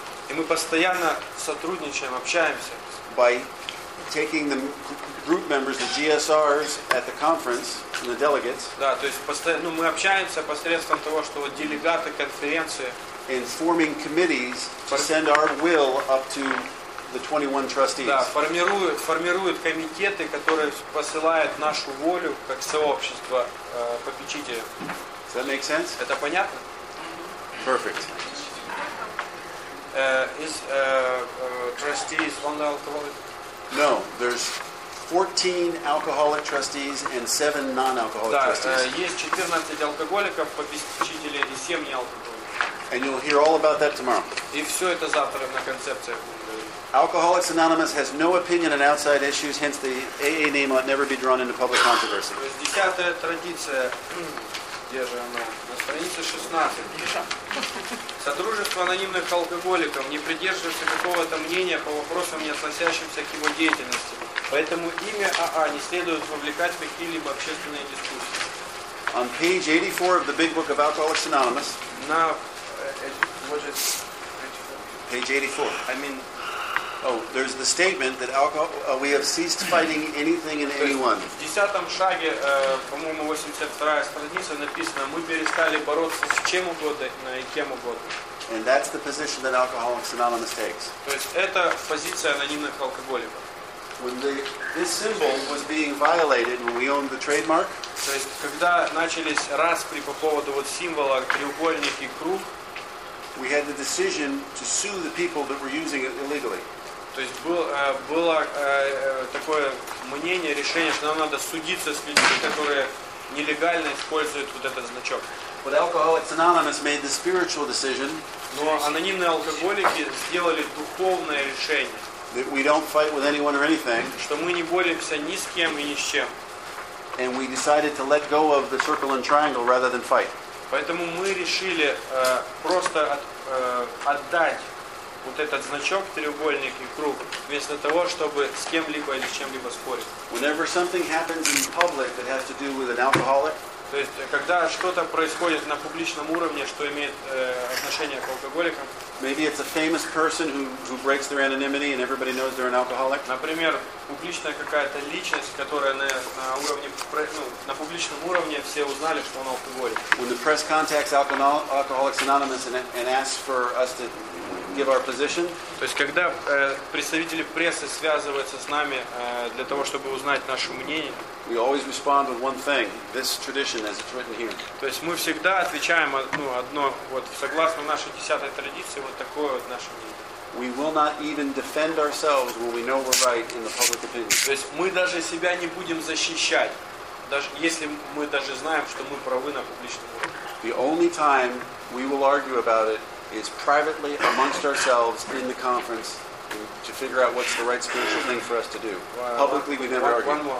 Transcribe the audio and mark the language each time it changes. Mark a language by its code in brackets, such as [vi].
[ru] И мы постоянно сотрудничаем, общаемся. [en] By taking the group members, the GSRs at the conference, and the delegates. [ru] Да, то есть постоянно, ну, мы общаемся посредством того, что вот делегаты конференции. [en] And forming committees to send our will up to the 21 trustees. [ru] Да, формируют комитеты, которые посылают нашу волю как сообщество попечителям. [en] Does that make sense? [ru] Это понятно? [en] Perfect. Trustees on the alcoholic? No, there's 14 alcoholic trustees and 7 non-alcoholic trustees. [ru] Да, есть 14 алкоголиков, попечителей и 7 неалкоголиков. [en] And you'll hear all about that tomorrow. [ru] И все это завтра на концепциях. [en] Alcoholics Anonymous has no opinion on outside issues, hence the AA name ought never be drawn into public controversy. [ru] Десятая традиция, где же она? На странице 16. Содружество анонимных алкоголиков не придерживается какого-то мнения по вопросам, не относящимся к его деятельности. Поэтому имя АА не следует вовлекать в какие-либо общественные дискуссии. [en] On page 84 of the Big Book of Alcoholics Anonymous. [ru] На [en] page [ru] 84. [en] I mean. Oh, there's the statement that we have ceased fighting anything and anyone. [ru] В 10-м шаге, по-моему, 82-я страница написано: мы перестали бороться с чем угодно и кем угодно. [en] And that's the position that Alcoholics Anonymous takes. [ru] То есть это позиция анонимных алкоголиков. [en] When this symbol was being violated, when we owned the trademark. [ru] То есть когда начались распри по поводу вот символа треугольник и круг. [en] We had the decision to sue the people that were using it illegally. [ru] То есть было такое мнение, решение, что нам надо судиться с людьми, которые нелегально используют вот этот значок. [en] But Alcoholics Anonymous made the spiritual decision. [ru] Но анонимные алкоголики сделали духовное решение. [en] That we don't fight with anyone or anything. [ru] Что мы не боремся ни с кем и ни с чем. [en] And we decided to let go of the circle and triangle rather than fight. [ru] Поэтому мы решили просто отдать вот этот значок, треугольник и круг, вместо того, чтобы с кем-либо или с чем-либо спорить. [en] Whenever something happens in public that has to do with an alcoholic. [ru] То есть, когда что-то происходит на публичном уровне, что имеет отношение к алкоголикам. [en] Maybe it's a famous person who breaks their anonymity and everybody knows they're an alcoholic. [ru] Например, публичная какая-то личность, которая на уровне, ну, на публичном уровне все узнали, что он алкоголик. [en] When the press contacts Alcoholics Anonymous and asks for us to give our position. [ru] То есть, когда представители прессы связываются с нами для того, чтобы узнать наше мнение. [en] We always respond with one thing. This tradition, as it's written here. [ru] То есть мы всегда отвечаем одно, одно вот согласно нашей десятой традиции вот такое вот наше мнение. [en] We will not even defend ourselves when we know we're right in the public opinion. [ru] То есть мы даже себя не будем защищать, даже если мы даже знаем, что мы правы на публичном уровне. [en] The only time we will argue about it is privately amongst ourselves in the conference. To figure out what's the right spiritual thing for us to do. Publicly, we never argue.